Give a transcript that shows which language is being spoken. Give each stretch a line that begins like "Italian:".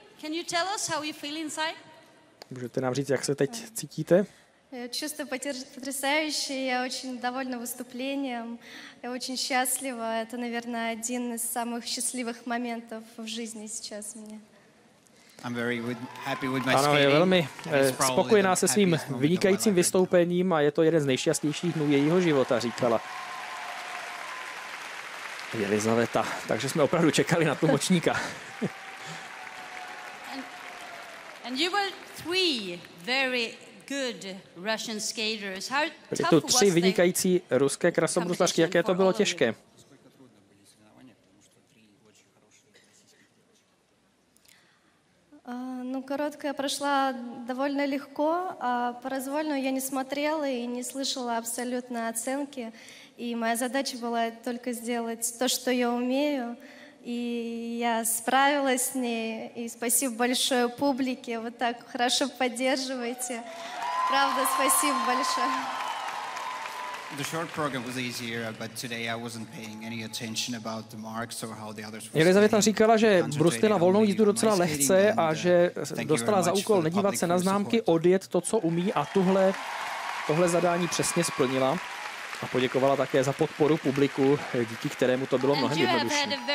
English: Can you tell us how you feel inside?
Czech: Můžete nám říct, jak se teď cítíte?
Russian: Чувство потрясающе. Я очень довольна выступлением. Я очень счастлива. Это, наверное, один из самых счастливых моментов в жизни сейчас мне.
English: I'm very happy with my skating.
Czech: Ano, je velmi spokojená se svým vynikajícím vystoupením a je to jeden z nejšťastnějších dnů jejího života, říkala Elizaveta. Takže jsme opravdu čekali na tlumočníka.
English: And you were 3 very good Russian skaters. How tough was it?
Czech: Tři vynikající ruské krasobruslařky, jaké to bylo těžké?
Russian: Ну, короткая прошла довольно легко, а произвольную я не смотрела и не слышала абсолютно оценки, и моя задача была только сделать то, что я умею. И я справилась с ней, и спасибо большое публике, вы так хорошо поддерживаете. Правда, спасибо большое.
English: The short program was easier, but today I wasn't paying any attention about the marks or how the others were.
Czech: Elizaveta říkala, že brustila volnou jízdu docela lehce a že dostala za úkol nedívat se na známky, odjet to, co umí, a tohle zadání přesně splnila. A poděkovala také za podporu publiku, díky kterému to bylo mnohem jednodušší.